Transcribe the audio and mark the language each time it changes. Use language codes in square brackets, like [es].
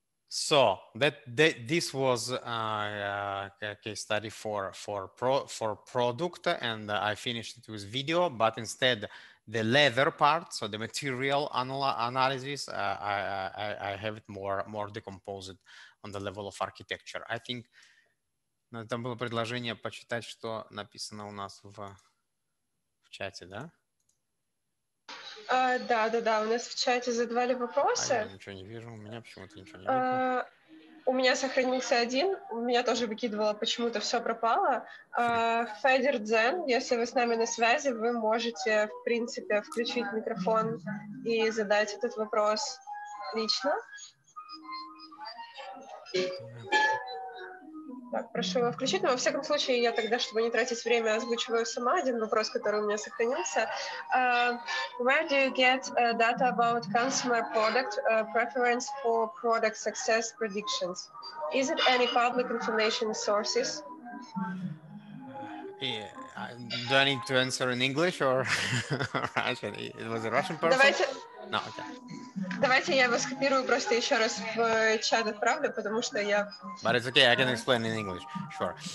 [en] So that this was a case study for product, and I finished it with video. But instead, the leather part, so the material analysis, I have it more decomposed on the level of architecture. I think [ru] на там было предложение почитать, что написано у нас в чате, да? Да, у нас в чате задавали вопросы. А я ничего не вижу, у меня почему-то ничего не видно. У меня сохранился один, у меня тоже выкидывало, почему-то все пропало. Федер Дзен, если вы с нами на связи, вы можете, в принципе, включить микрофон и задать этот вопрос лично. Так, прошу его включить, но во всяком случае я тогда, чтобы не тратить время, озвучиваю сама один вопрос, который у меня сохранился. [en] Where do you get data about consumer product preference for product success predictions? Is it any public information sources? Do I need to answer in English or Russian? It was a Russian person? [ru] Давайте... [en] No, okay. [ru] Давайте я его скопирую просто еще раз в чат отправлю, потому что я... [en] But it's okay, I can explain in English, sure.